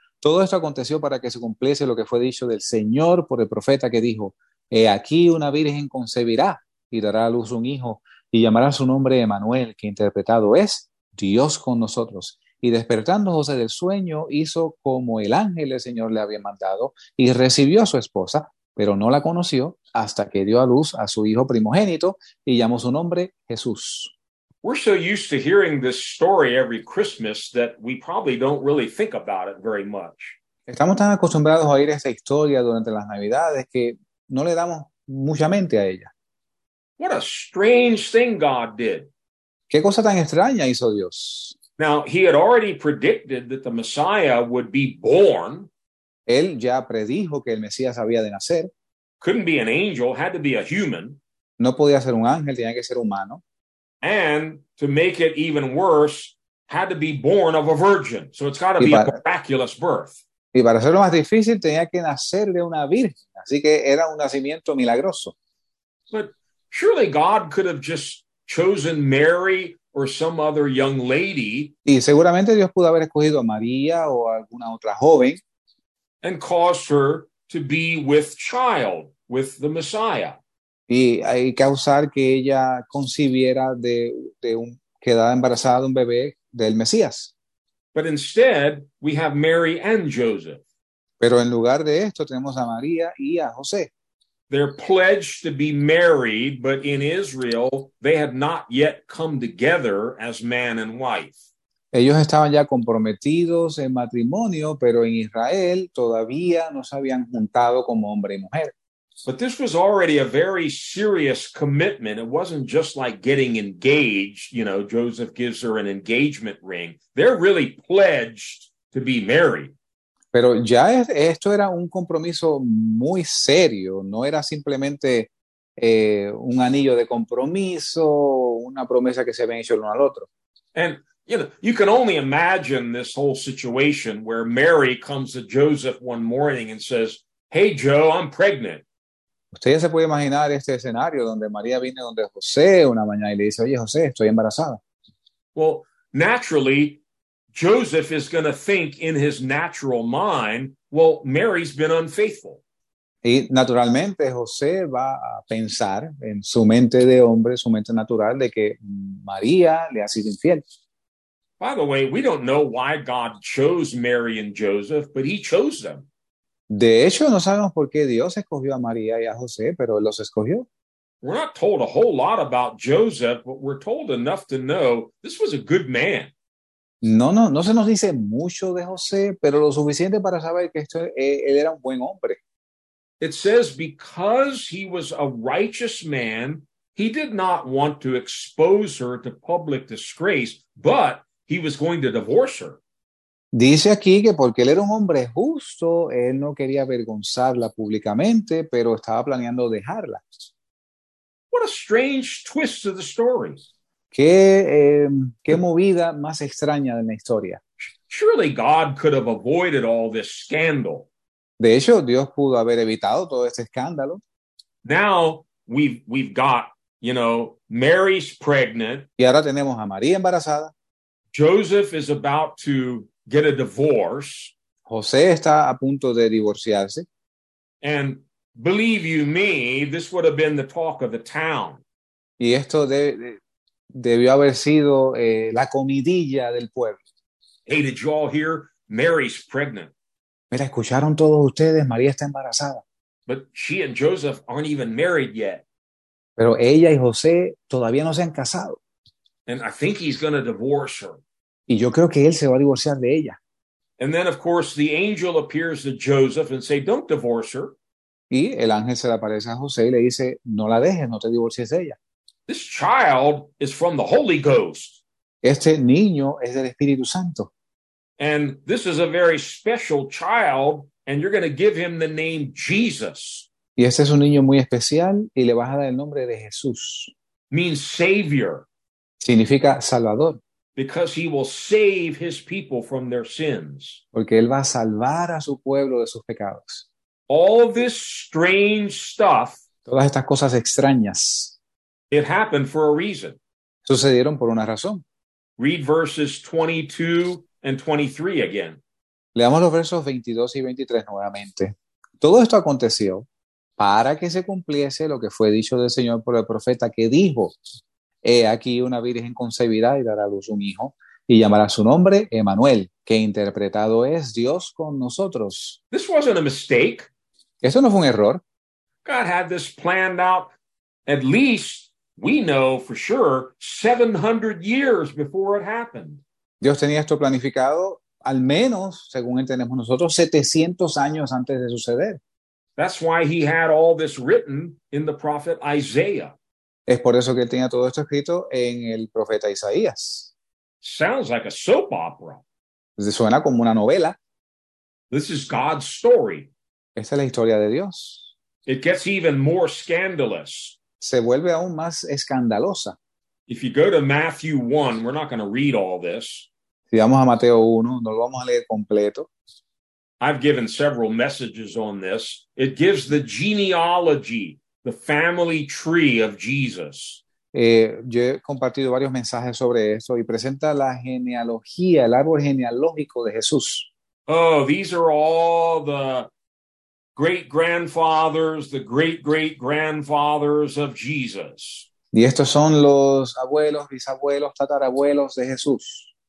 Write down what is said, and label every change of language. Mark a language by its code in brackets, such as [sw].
[es] Todo esto aconteció para que se cumpliese lo que fue dicho del Señor por el profeta, que dijo: He aquí una virgen concebirá y dará a luz un hijo, y llamará su nombre Emmanuel, que interpretado es Dios con nosotros. Y despertando José del sueño, hizo como el ángel del Señor le había mandado, y recibió a su esposa, pero no la conoció hasta que dio a luz a su hijo primogénito y llamó su nombre Jesús. [en] We're so used to hearing this story every Christmas that we probably don't really think about it very much. [es] Estamos tan acostumbrados a oír esta historia durante las Navidades que no le damos mucha mente a ella. [en] What a strange thing God did. [es] ¿Qué cosa tan extraña hizo Dios? [en] Now, he had already predicted that the Messiah would be born. [es] Él ya predijo que el Mesías había de nacer. [en] Couldn't be an angel, had to be a human. [es] No podía ser un ángel, tenía que ser humano. [en] And to make it even worse, had to be born of a virgin. So it's got to be a miraculous birth. [es] Y para hacerlo más difícil, tenía que nacer de una virgen. Así que era un nacimiento milagroso. [en] But surely God could have just chosen Mary or some other young lady. [es] Y seguramente Dios pudo haber escogido a María o alguna otra joven. [en] And caused her to be with child, with the Messiah. [es] Y causar que ella concibiera de quedara embarazada de un bebé del Mesías. [en] But instead, we have Mary and Joseph. [es] Pero en lugar de esto, tenemos a María y a José. [en] They're pledged to be married, but in Israel, they had not yet come together as man and wife. [es] Ellos estaban ya comprometidos en matrimonio, pero en Israel todavía no se habían juntado como hombre y mujer. [en] But this was already a very serious commitment. It wasn't just like getting engaged. You know, Joseph gives her an engagement ring. They're really pledged to be married. [es] Pero ya esto era un compromiso muy serio. No era simplemente un anillo de compromiso, una promesa que se habían hecho el uno al otro. [en] And, you know, you can only imagine this whole situation where Mary comes to Joseph one morning and says, "Hey, Joe, I'm pregnant." [es] Usted ya se puede imaginar este escenario donde María viene donde José una mañana y le dice: "Oye, José, estoy embarazada." [en] Well, naturally, Joseph is going to think in his natural mind, well, Mary's been unfaithful. [es] Y naturalmente José va a pensar en su mente de hombre, su mente natural, de que María le ha sido infiel. [en] By the way, we don't know why God chose Mary and Joseph, but he chose them. [es] De hecho, no sabemos por qué Dios escogió a María y a José, pero él los escogió. [en] We're not told a whole lot about Joseph, but we're told enough to know this was a good man. [es] No se nos dice mucho de José, pero lo suficiente para saber que él era un buen hombre. [en] It says because he was a righteous man, he did not want to expose her to public disgrace, but he was going to divorce her. [es] Dice aquí que porque él era un hombre justo, él no quería avergonzarla públicamente, pero estaba planeando dejarla. [en] What a strange twist of the story. [es] Qué movida más extraña de la historia. [en] Surely God could have avoided all this scandal. [es] De hecho, Dios pudo haber evitado todo este escándalo. [en] Now we've got, you know, Mary's pregnant. [es] Y ahora tenemos a María embarazada. [en] Joseph is about to get a divorce. [es] José está a punto de divorciarse. [en] And believe you me, this would have been the talk of the town. [es] Y esto debió haber sido la comidilla del pueblo. [en] Hey, did you all hear? Mary's pregnant. [es] Mira, ¿escucharon todos ustedes? María está embarazada. [en] But she and Joseph aren't even married yet. [es] Pero ella y José todavía no se han casado. [en] And I think he's going to divorce her. [es] Y yo creo que él se va a divorciar de ella. [en] And then, of course, the angel appears to Joseph and say, "Don't divorce her." [es] Y el ángel se le aparece a José y le dice, "No la dejes, no te divorcies de ella." [en] This child is from the Holy Ghost. [es] Este niño es del Espíritu Santo. [en] And this is a very special child, and you're going to give him the name Jesus. [es] Y este es un niño muy especial, y le vas a dar el nombre de Jesús. [en] Means Savior. [es] Significa Salvador. [en] Because he will save his people from their sins. [es] Porque él va a salvar a su pueblo de sus pecados. [en] All this strange stuff. [es] Todas estas cosas extrañas. [en] It happened for a reason. [es] Sucedieron por una razón. [en] Read verses 22 and 23 again. [es] Leamos los versos 22 y 23 nuevamente. Todo esto aconteció para que se cumpliese lo que fue dicho del Señor por el profeta que dijo: He aquí una virgen concebirá y dará a luz un hijo, y llamará su nombre Emmanuel, que interpretado es Dios con nosotros. [en] This wasn't a mistake. [es] Eso no fue un error. [en] God had this planned out at least, we know for sure, 700 years before it happened. [es] Dios tenía esto planificado, al menos, según entendemos nosotros, 700 años antes de suceder. [en] That's why he had all this written in the prophet Isaiah. [es] Es por eso que él tenía todo esto escrito en el profeta Isaías. [en] Sounds like a soap opera. [es] Suena como una novela. [en] This is God's story. [es] Esta es la historia de Dios. [en] It gets even more scandalous. [es] Se vuelve aún más escandalosa. [en] If you go to Matthew 1, we're not going to read all this. [es] Si vamos a Mateo 1, no lo vamos a leer completo. [en] I've given several messages on this. It gives the genealogy, the family tree of Jesus. [es] Yo he compartido varios mensajes sobre eso y presenta la genealogía, el árbol genealógico de Jesús. [en] Oh, these are all the great-grandfathers, the great-great-grandfathers of Jesus. [es] Y estos son los abuelos, bisabuelos, tatarabuelos de Jesús.